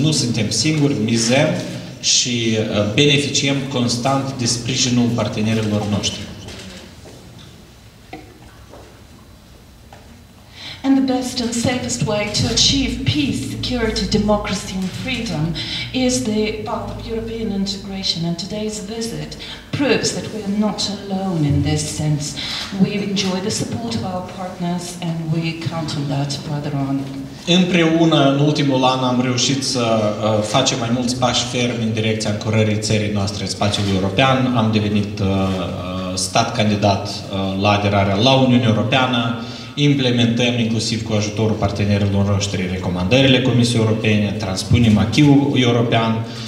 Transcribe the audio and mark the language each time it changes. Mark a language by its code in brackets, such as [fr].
[ro] Nu suntem singuri, mizem și beneficiem constant de sprijinul partenerilor noștri. [en] And the best and safest way to achieve peace, security, democracy and freedom is the path of European integration. And today's visit proves that we are not alone in this sense. We enjoy the support of our partners and we count on that further on. [ro] Împreună, în ultimul an, am reușit să facem mai mulți pași fermi în direcția ancorării țării noastre în spațiul european. Am devenit stat candidat la aderarea la Uniunea Europeană. Implementăm, inclusiv cu ajutorul partenerilor noștri, recomandările Comisiei Europene, transpunem acquis-ul european.